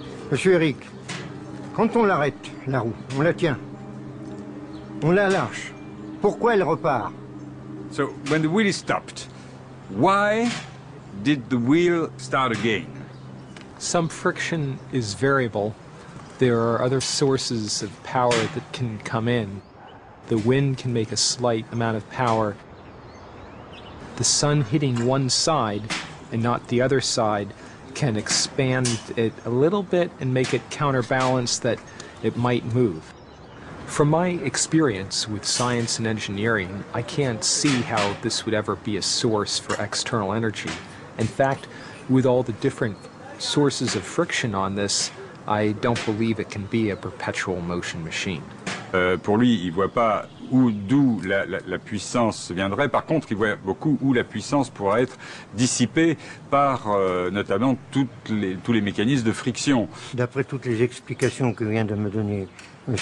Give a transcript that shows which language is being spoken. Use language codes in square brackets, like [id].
[fr] Monsieur Eric, quand on l'arrête, la roue, on la tient, on la lâche, pourquoi elle repart? [en] So, when the wheel is stopped, why did the wheel start again? Some friction is variable. There are other sources of power that can come in. The wind can make a slight amount of power. The sun hitting one side and not the other side can expand it a little bit and make it counterbalance that it might move. From my experience with science and engineering, I can't see how this would ever be a source for external energy. In fact, with all the different sources of friction on this, I don't believe it can be a perpetual motion machine. [fr] Pour lui, il voit pas où, d'où la puissance viendrait. Par contre, il voit beaucoup où la puissance pourrait être dissipée par notamment tous les mécanismes de friction. D'après toutes les explications que vient de me donner M.